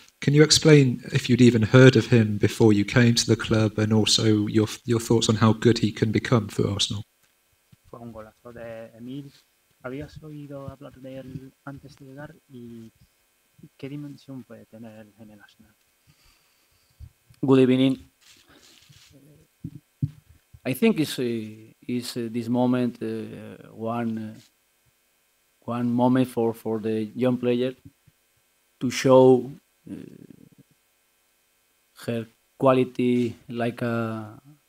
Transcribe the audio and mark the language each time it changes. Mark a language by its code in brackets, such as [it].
[en] Can you explain if you'd even heard of him before you came to the club, and also your thoughts on how good he can become for Arsenal? [es] Fue un golazo de Emil. Habías oído hablar de él antes de llegar, y ¿qué dimensión puede tener él en el Arsenal? [en] Good evening. I think it's this moment one moment for the young player to show her quality like a